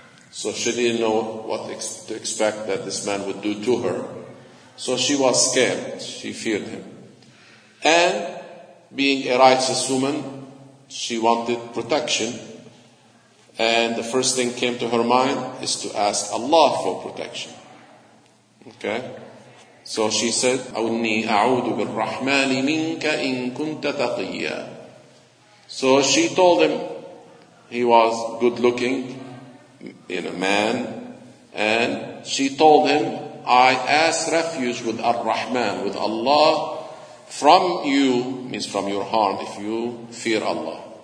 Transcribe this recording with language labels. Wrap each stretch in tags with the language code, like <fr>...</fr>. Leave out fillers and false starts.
<en>So she didn't know what to expect that this man would do to her. So she was scared. She feared him. And being a righteous woman, she wanted protection. And the first thing came to her mind is to ask Allah for protection. Okay? So she said,</en> <ar>أَوْنِي أَعُودُ بِالرَّحْمَانِ مِنْكَ إِن كُنْتَ تَقِيًّا.</ar> <en>So she told him he was good-looking, in a man, and she told him, I ask refuge with Ar-Rahman, with Allah, from you, means from your harm, if you fear Allah.</en>